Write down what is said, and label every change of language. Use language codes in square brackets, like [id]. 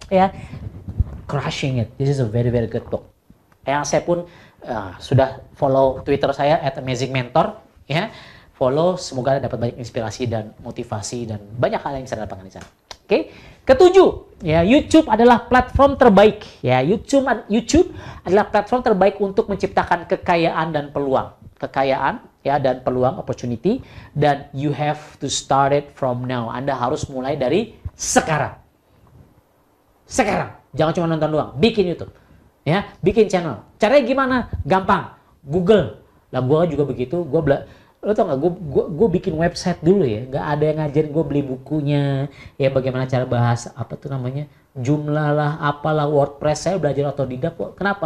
[en] Ya, Crushing It, this is a very very good book. [id] Yang saya pun sudah follow Twitter saya @amazingmentor, ya, follow, semoga Anda dapat banyak inspirasi dan motivasi dan banyak hal yang saya dapatkan di sana. Oke. Ketujuh, ya, YouTube adalah platform terbaik. Ya, YouTube adalah platform terbaik untuk menciptakan kekayaan dan peluang. Kekayaan, ya, dan peluang, opportunity. [en] Dan you have to start it from now. [id] Anda harus mulai dari sekarang. Sekarang. Jangan cuma nonton doang. Bikin YouTube. Ya, bikin channel. Caranya gimana? Gampang. Google. Lah, gue juga begitu. Lo tau gak, gue bikin website dulu ya, gak ada yang ngajarin gue beli bukunya, ya bagaimana cara bahas, apa tuh namanya, jumlah lah, apalah, WordPress, saya belajar otodidak kok. Kenapa?